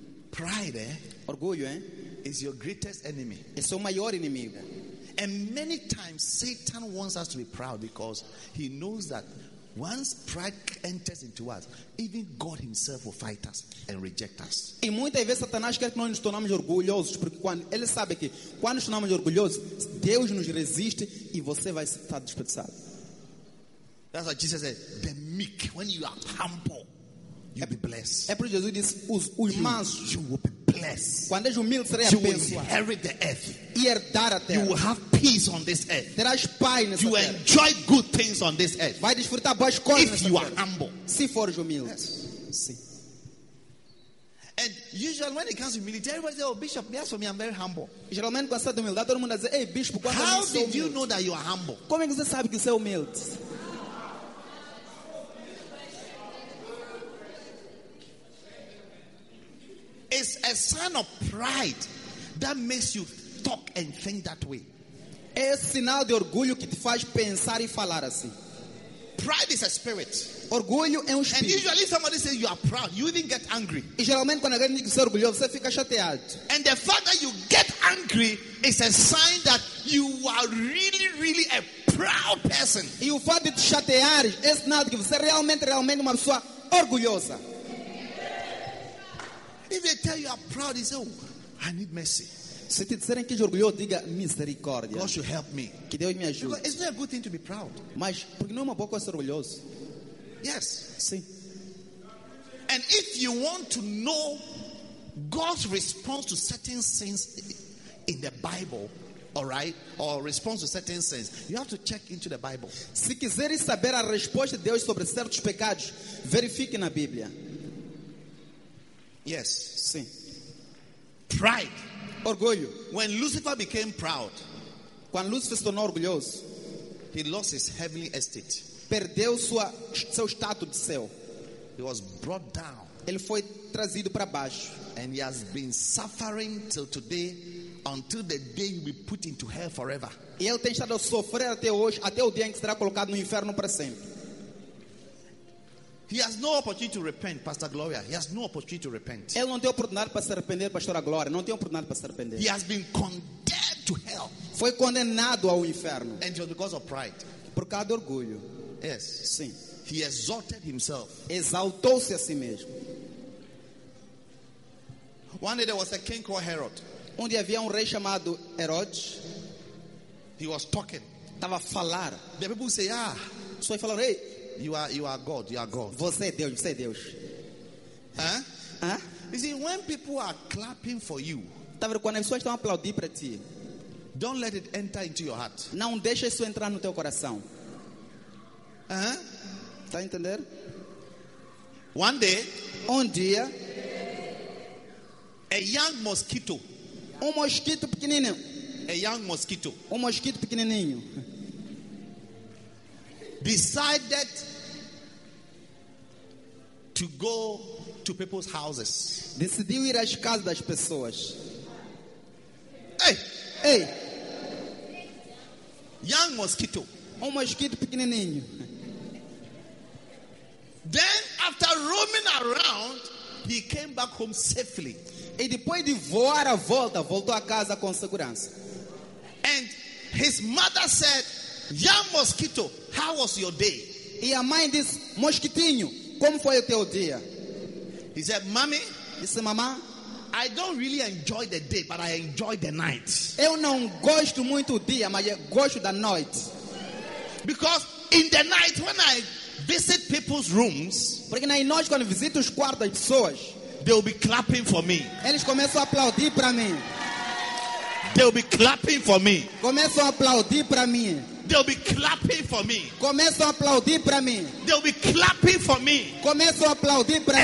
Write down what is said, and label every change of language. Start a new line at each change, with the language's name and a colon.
English: pride,
Portuguese: orgulho,
English: is your greatest enemy.
Portuguese: É seu maior inimigo.
English: And many times Satan wants us to be proud because he knows that once pride enters into us, even God himself will fight us and reject us.
Portuguese: E muitas vezes Satanás quer que nós nos tornemos orgulhosos, porque quando ele sabe que quando nos tornamos orgulhosos, Deus nos resiste e você vai estar desprezado.
English: That's what Jesus said, the meek, when you are humble, you'll be blessed.
Portuguese: É por isso Jesus disse, os mansos,
English: you will be blessed.
Portuguese: Quando és humilde, serás abençoado.
English: You will inherit the earth.
Portuguese: E herdar a terra.
English: You will have peace on this earth.
Portuguese: Terás paz nessa
English: you
Portuguese: terra.
English: Enjoy good things on this earth.
Portuguese: Vai desfrutar boas coisas
English: if
Portuguese: nessa
English: you
Portuguese: terra.
English: Are humble.
Portuguese: Se fores humilde.
English: Yes.
Portuguese: Sim.
English: And usually when it comes to humility, everybody says, oh, bishop, yes, for me, I'm very humble.
Portuguese: Geralmente quando está de humildade, todo mundo diz, hey, bishop, quando
English: how
Portuguese: eu sou humilde.
English: How did you know that you are humble?
Portuguese: Como é que você sabe que você é humilde?
English: It's a sign of pride that makes you talk and think that way.
Portuguese: É sinal de orgulho que te faz pensar e falar assim.
English: Pride is a spirit.
Portuguese: Orgulho é espírito.
English: And usually somebody says you are proud, you even get angry.
Portuguese: E geralmente quando alguém diz que é orgulhoso, você fica chateado.
English: And the fact that you get angry is a sign that you are really, really a proud person.
Portuguese: E o fato de te chatear é sinal de que você é realmente, realmente uma pessoa orgulhosa.
English: If they tell you are proud, you say, oh, I need mercy.
Portuguese: Se te disserem que és orgulhoso, diga misericórdia.
English: God should help me.
Portuguese: Que Deus me ajude.
English: Because it's not a good thing to be proud.
Portuguese: Mas porque não é uma boa coisa ser orgulhoso.
English: Yes.
Portuguese: Sim.
English: And if you want to know God's response to certain sins in the Bible, all right, or response to certain sins, you have to check into the Bible.
Portuguese: Se quiseres saber a resposta de Deus sobre certos pecados, verifique na Bíblia.
English: Yes.
Portuguese: Sim.
English: Pride.
Portuguese: Orgulho.
English: When Lucifer became proud,
Portuguese: quando Lúcifer se tornou orgulhoso,
English: he lost his heavenly estate.
Portuguese: Perdeu sua seu status de céu.
English: He was brought down.
Portuguese: Ele foi trazido para baixo.
English: And he has been suffering till today, until the day he will be put into hell forever.
Portuguese: E ele tem estado a sofrer até hoje, até o dia em que será colocado no inferno para sempre.
English: He has no opportunity to repent, Pastor Gloria. He has no opportunity to repent.
Portuguese: Ele não tem oportunidade para se arrepender, Pastora Glória. Não tem oportunidade para se arrepender.
English: He has been condemned to hell.
Portuguese: Foi condenado ao inferno.
English: And it was because of pride.
Portuguese: Por causa do orgulho.
English: Yes.
Portuguese: Sim.
English: He exalted himself.
Portuguese: Exaltou-se a si mesmo.
English: One day there was a king called Herod.
Portuguese: Onde havia rei chamado Herodes.
English: He was talking.
Portuguese: Estava a falar.
English: The people say, ah.
Portuguese: Só falar, hey.
English: You are God. You are God.
Portuguese: Você é Deus. Você é Deus. Huh?
English: You see, when people are clapping for you,
Portuguese: tá vendo, quando as pessoas estão a aplaudir para ti,
English: don't let it enter into your heart.
Portuguese: Não deixe isso entrar no teu coração. Huh? Tá entender?
English: One day,
Portuguese: um dia,
English: a young mosquito,
Portuguese: mosquito pequenininho,
English: a young mosquito,
Portuguese: mosquito pequenininho.
English: Decided to go to people's houses.
Portuguese: Decidiu ir às casas das pessoas. Hey, hey,
English: young mosquito,
Portuguese: mosquito pequenininho.
English: Then, after roaming around, he came back home safely.
Portuguese: E depois de voar a volta, voltou a casa com segurança.
English: And his mother said, young mosquito, how was your day?
Portuguese: E a mãe disse, mosquitinho, como foi o teu dia?
English: He said, mommy,
Portuguese: disse, mamá,
English: I don't really enjoy the day, but I enjoy the night.
Portuguese: Eu não gosto muito do dia, mas eu gosto da noite.
English: Because in the night, when I visit people's rooms,
Portuguese: porque na noite, quando visito os quartos das pessoas,
English: they will be clapping for me.
Portuguese: Eles começam a aplaudir para mim.
English: They will be clapping for me.
Portuguese: Começam a aplaudir para mim.
English: They'll be clapping for me.
Portuguese: Começam a aplaudir para mim.
English: They'll be clapping for me.
Portuguese: Começam a aplaudir para mim.